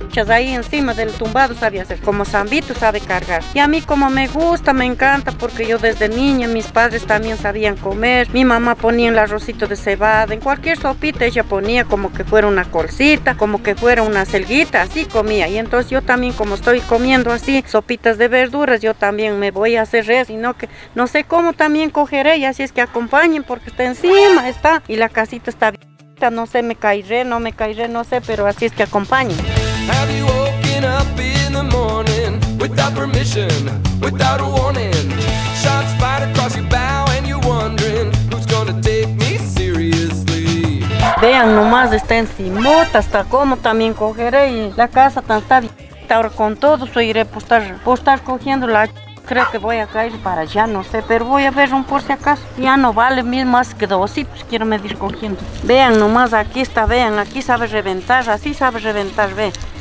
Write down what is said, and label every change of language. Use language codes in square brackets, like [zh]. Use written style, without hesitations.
[es] ahí encima del tumbado, sabe hacer como zambito, sabe cargar, y a mí como me gusta, me encanta, porque yo desde niña, mis padres también sabían comer, mi mamá ponía el arrocito de cebada en cualquier sopita, ella ponía como que fuera una colcita, como que fuera una selguita, así comía, y entonces yo también como estoy comiendo así, sopitas de verduras, yo también me voy a hacer res, sino que no sé cómo también cogeré, y así es que acompañen, porque está encima, está, y la casita está bien, no sé, me caeré, no sé, pero así es que acompañen. [en] Have you woken up in the morning without permission, without a warning? Shots fired across your bow and you're wondering who's gonna take me seriously. [es] Vean nomás, está encimota, hasta cómo también cogeré, y la casa tan está bien. Ahora con todo eso iré por estar cogiendo la. Creo que voy a caer para allá, no sé, pero voy a ver un por si acaso. Ya no vale más que dos, y pues quiero medir cogiendo. Vean nomás, aquí está, vean, aquí sabe reventar, así sabe reventar, ve.